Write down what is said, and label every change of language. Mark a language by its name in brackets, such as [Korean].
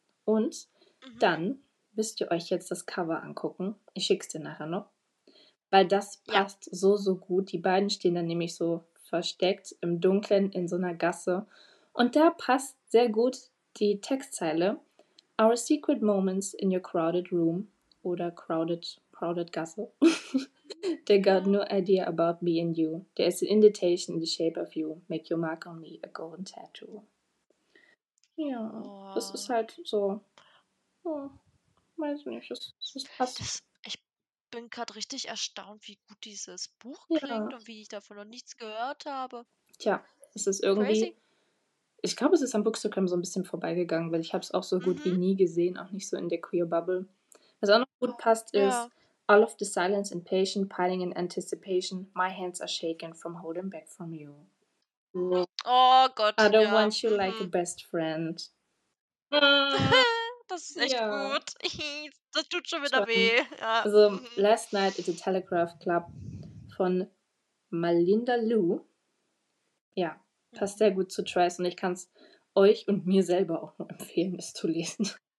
[German] Und dann müsst ihr euch jetzt das Cover angucken. Ich schick's dir nachher noch. Weil das passt so, so gut. Die beiden stehen dann nämlich so versteckt im Dunkeln in so einer Gasse. Und da passt sehr gut die Textzeile. [English] Our secret moments in your crowded room. [German] Oder crowded Gasse. [English] They got no idea about me and you. There is an invitation in the shape of you. Make your mark on me a golden tattoo. [German] Ja, das ist halt so. Oh, weiß nicht, das passt. Ich bin gerade richtig erstaunt, wie gut dieses Buch klingt und wie ich davon noch nichts gehört habe. Tja, es ist irgendwie... Crazy. Ich glaube, es ist am Bookstagram so ein bisschen vorbeigegangen, weil ich habe es auch so gut wie nie gesehen, auch nicht so in der Queer-Bubble. Was auch noch gut passt, ist [English] All of the silence and patient, piling in anticipation, my hands are shaken from holding back from you. [German] Oh Gott, [English] I don't want you like a best friend. [German] Das ist echt gut. Das tut schon wieder weh. Ja. Also, Last Night at the Telegraph Club von Malinda Liu. Ja, passt sehr gut zu Trice und ich kann es euch und mir selber auch nur empfehlen, es zu lesen.